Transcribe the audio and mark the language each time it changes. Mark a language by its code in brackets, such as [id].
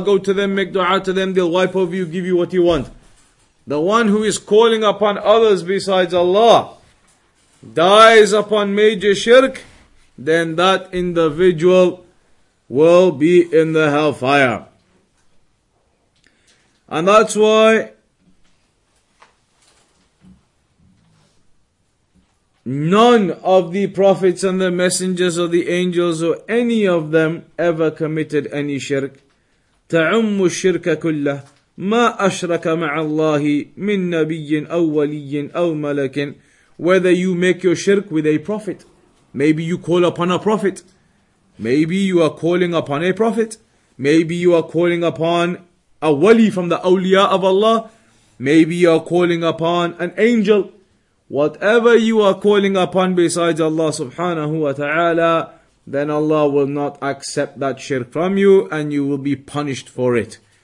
[en] Go to them, make dua to them, they'll wipe over you, give you what you want. The one who is calling upon others besides Allah, dies upon major shirk, then that individual will be in the hellfire. And that's why none of the prophets and the messengers or the angels or any of them ever committed any shirk. [ar] تعم الشرك كله ما أشرك مع الله من نبي أو ولي أو ملك. [en] Whether you make your shirk with a prophet, maybe you call upon a prophet, maybe you are calling upon a prophet, maybe you are calling upon a wali from the awliya of Allah, maybe you are calling upon an angel. Whatever you are calling upon besides Allah subhanahu wa ta'ala, then Allah will not accept that shirk from you and you will be punished for it.